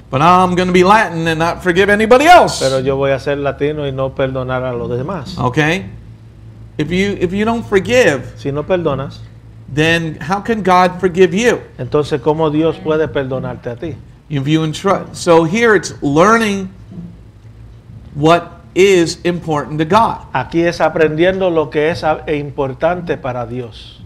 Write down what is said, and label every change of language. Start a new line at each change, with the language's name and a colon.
English: But I'm going to be Latin and not forgive anybody else.
Spanish: Pero yo voy a ser latino y no perdonar a los demás.
English: Okay. If you don't forgive,
Spanish: si no perdonas,
English: then how can God forgive you?
Spanish: Entonces, ¿cómo Dios puede perdonarte a ti?
English: If you entrust. So here it's learning what is important to God.
Spanish: Aquí es aprendiendo lo que es importante para Dios.